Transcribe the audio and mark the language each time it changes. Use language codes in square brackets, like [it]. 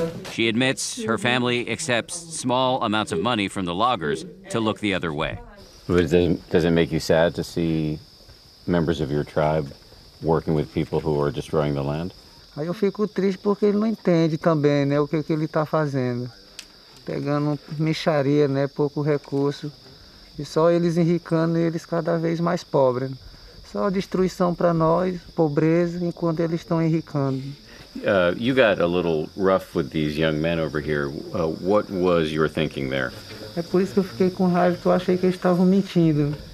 [en] She admits her family accepts small amounts of money from the loggers to look the other way. But does it make you sad to see members of your tribe working with people who are destroying the land? [pt] Aí eu fico triste porque ele não entende também, né, o que que ele tá fazendo. Pegando mixaria, né, pouco recurso. E só eles enriquecendo e eles cada vez mais pobres. Né? Só destruição para nós, pobreza, enquanto eles estão enriquecendo. [en] You got a little rough with these young men over here. What was your thinking there? [pt] É por isso que eu fiquei com raiva, que eu achei que eles estavam mentindo.